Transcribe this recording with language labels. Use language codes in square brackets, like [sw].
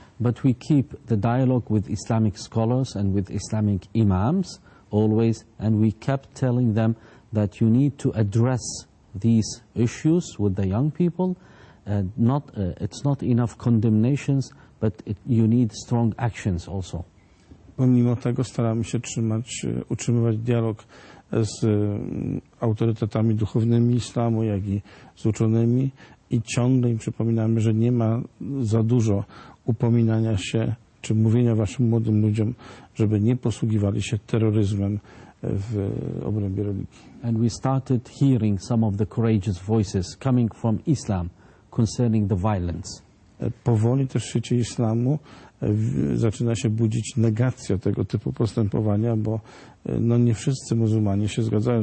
[en] But we keep the dialogue with Islamic scholars and with Islamic imams always, and we kept telling them that you need to address these issues with the young people. It's not enough condemnations, but you need strong actions also. [pl] Pomimo tego staramy się utrzymywać dialog z autorytetami duchownymi islamu, jak i z uczonymi i ciągle im przypominamy, że nie ma za dużo upominania się czy mówienia waszym młodym ludziom, żeby nie posługiwali się terroryzmem w obrębie religii. [en] And we started hearing some of the courageous voices coming from Islam concerning the violence. [pl] Powoli też w świecie islamu zaczyna się budzić negacja tego typu postępowania, bo no nie wszyscy muzułmanie się zgadzają.